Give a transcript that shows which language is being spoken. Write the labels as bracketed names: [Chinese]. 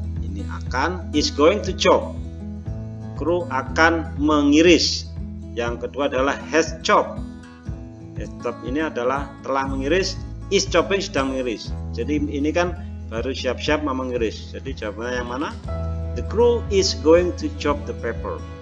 [English] Ini akan, is going to chop. [Indonesian] Crew akan mengiris. Yang kedua adalah has chop. Has chop ini adalah telah mengiris, is chopping sedang mengiris. Jadi ini kan baru siap-siap mau mengiris. Jadi jawabannya yang mana? [English] The crew is going to chop the pepper.